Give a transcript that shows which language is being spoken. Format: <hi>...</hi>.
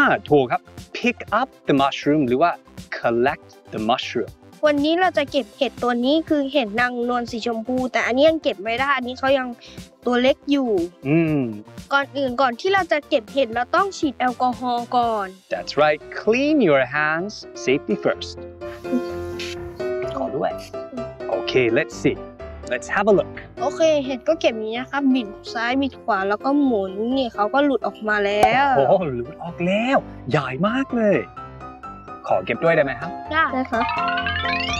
<th>ถูกครับ</th> <en>pick up the mushroom</en> <th>หรือว่า</th> <en>collect the mushroom</en> <th>วันนี้เราจะเก็บเห็ดตัวนี้คือเห็ดนางนวลสีชมพูแต่อันนี้ยังเก็บไม่ได้อันนี้เขายังตัวเล็กอยู่ ก่อนอื่นก่อนที่เราจะเก็บเห็ดเราต้องฉีดแอลกอฮอล์ก่อน</th> <en>That's right clean your hands safety first</en> <th>ขอด้วย</th> <en>Okay let's see let's have a look</en> <th>โอเคเห็ดก็เก็บอย่างนี้ครับบิดซ้ายบิดขวาแล้วก็หมุนนี่เขาก็หลุดออกมาแล้ว โอ้โหหลุดออกแล้วใหญ่มากเลยขอเก็บด้วยได้ไหมครับ ได้ ครับ</th>